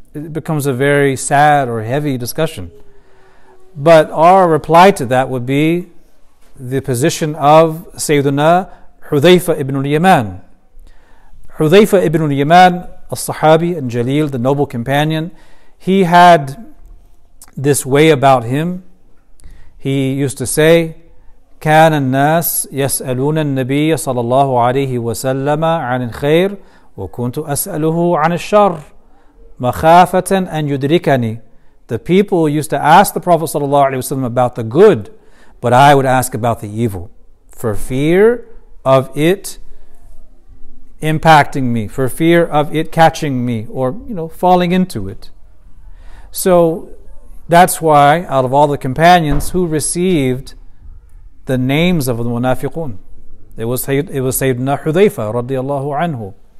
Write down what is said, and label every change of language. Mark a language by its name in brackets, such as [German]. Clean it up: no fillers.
[English] It becomes a very sad or heavy discussion. But our reply to that would be the position of Sayyiduna Hudhayfa ibn al-Yaman. Hudhayfa ibn al-Yaman, al-Sahabi and Jalil, the noble companion, he had this way about him. He used to say, [Arabic] كان الناس يسألون النبي صلى الله عليه وسلم عن الخير وكنت أسأله عن الشر مخافة أن يدركني. [English] The people used to ask the Prophet sallallahu alaihi wasallam about the good, but I would ask about the evil for fear of it impacting me, for fear of it catching me, or, you know, falling into it. So that's why, out of all the companions who received the names of the munafiqun, it was Sayyidina Hudhayfa radiallahu anhu.